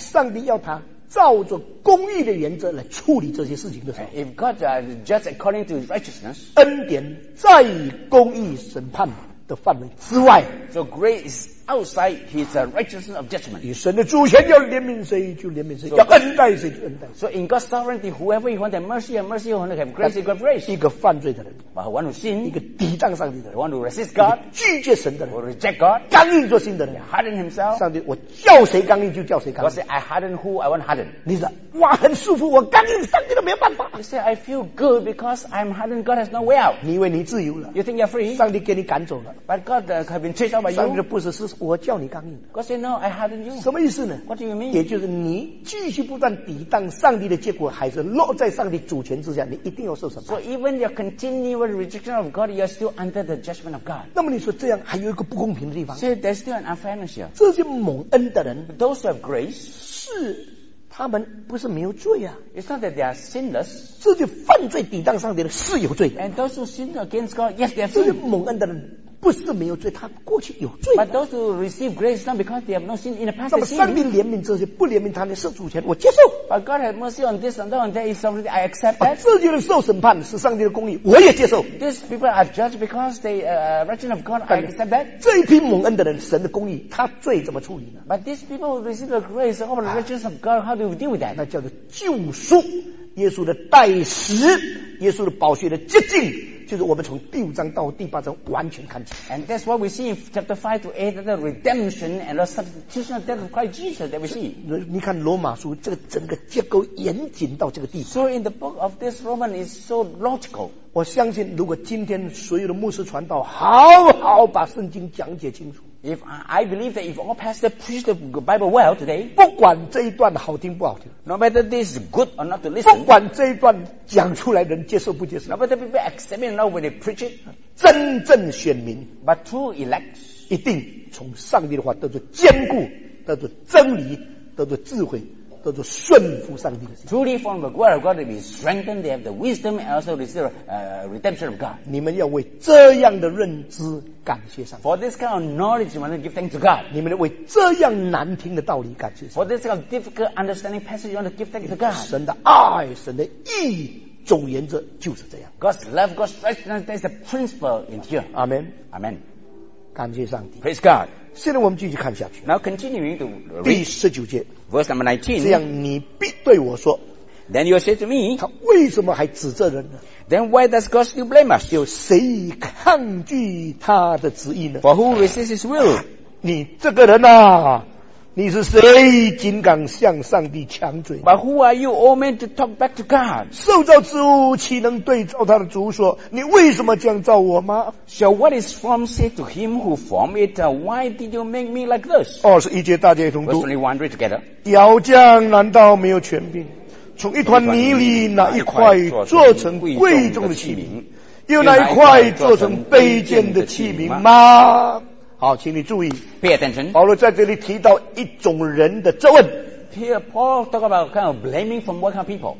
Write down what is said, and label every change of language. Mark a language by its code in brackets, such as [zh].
[zh] 上帝要他照着公义的原则来处理这些事情的时候。 [en] If God judges according to his righteousness. [zh] 恩典在公义审判的范围之外。 [en] So grace is outside his righteousness of judgment. [zh] 以神的主权要怜悯谁就怜悯谁，要恩待谁就恩待。 [en] So in God's sovereignty, whoever you want to have mercy, have mercy. Whoever you have grace, have grace. [zh] 一个犯罪的人 [en] ，one who sin， [zh] 一个抵挡上帝的人 [en] ，one who resists God， [zh] 拒绝神的人 [en] ，who reject God， [zh] 刚硬做心的人 [en] ，harden himself。 [zh] 上帝，我叫谁刚硬就叫谁刚硬。 [en] God say, I harden who I want harden. [zh] 你说，哇，很舒服，我刚硬，上帝都没有办法。 [en] You say, I feel good because I'm hardened. God has no way out. [zh] 你以为你自由了 [en] ？You think you're free？ [zh] 上帝给你赶走了 [en] ，but God have been chased out by you。 [zh] 上帝不是是。我叫你刚硬。 [en] God said no, I hardened you. [zh] 什么意思呢 [en] ？What do you mean？ [zh] 也就是你继续不断抵挡上帝的结果，还是落在上帝主权之下，你一定要受审判。 [en] So even your continual rejection of God, you are still under the judgment of God. [zh] 那么你说这样还有一个不公平的地方 [en] ？So there's still an unfairness here. [zh] 这些蒙恩的人 [en] ，those who have grace， [zh] 是他们不是没有罪啊 [en] ？It's not that they are sinless. [zh] 这些犯罪抵挡上帝的是有罪的。 [en] And those who sin against God, yes, they are. [zh] 这些蒙恩的人。不是没有罪，他过去有罪。 [en] But those who receive grace not because they have no sin in the past. [zh] 那么上帝怜悯这些，不怜悯他的是主权，我接受。 [en] But God has mercy on this and that, and that is something I accept. [zh] 把自己的受审判是上帝的公义，我也接受。 [en] These people are judged because they righteous of God. I accept that. [zh] 这一批蒙恩的人，神的公义，他罪怎么处理呢 [en] ？But these people who receive the grace of the righteous of God, how do we deal with that? [zh] 那叫做救赎，耶稣的代赎，耶稣的宝血的洁净。就是我们从第五章到第八章完全看清。 [en] And that's what we see in chapter 5 to 8, the redemption and the substitution of death of Christ Jesus that we see. [zh] 你看罗马书这个整个结构严谨到这个地步。 [en] So in the book of this Roman is so logical. [zh] 我相信如果今天所有的牧师传道好好把圣经讲解清楚。 [en] If I believe that if all pastors preach the Bible well today, [zh] 不管这一段好听不好听 [en] ，no matter this is good or not to listen， [zh] 不管这一段讲出来人接受不接受 [en] ，no matter people accept it or not when they preach it， [zh] 真正选民 [en] ，but true elects， [zh] 一定从上帝的话得到坚固，得到真理，得到智慧。叫做顺服上帝的心。 [en] Truly from the word of God, they be strengthened. They have the wisdom and also receive redemption of God. [zh] 你们要为这样的认知感谢上帝。 [en] For this kind of knowledge, you want to give thanks to God. [zh] 你们要为这样难听的道理感谢上帝。 [en] For this kind of difficult understanding passage, you want to give thanks to God. [zh] 神的爱，神的义，总言之就是这样。 [en] God's love, God's righteousness, that's the principle in here. Amen. Amen. [zh] 感谢上帝。 [en] Praise God. [zh] 现在我们继续看下去。 [en] Now continuing to read. [zh] 第十九节。 [en] Verse number 19. [zh] 这样你必对我说。 [en] Then you say to me. [zh] 他为什么还指责人呢？ [en] Then why does God still blame us? [zh] 有谁抗拒他的旨意呢？ [en] For who resists his will? [zh] 你这个人啊，你是谁竟敢向上帝抢嘴？ [en] But who are you, old man, to talk back to God? [zh] 受造之物岂能对照他的主说，你为什么这样造我吗？ [en] So what is form said to him who formed it, why did you make me like this? [zh] 21节大家一同读。 [en] Verse 21, read together. [zh] 窑匠难道没有权柄，从一团泥里哪一块做成贵重的器皿，又哪一块做成卑贱的器皿吗？好，请你注意 [en] Pay attention. [zh] 保罗在这里提到一种人的质问。 [en] hear Paul talk about kind of blaming from what kind of people?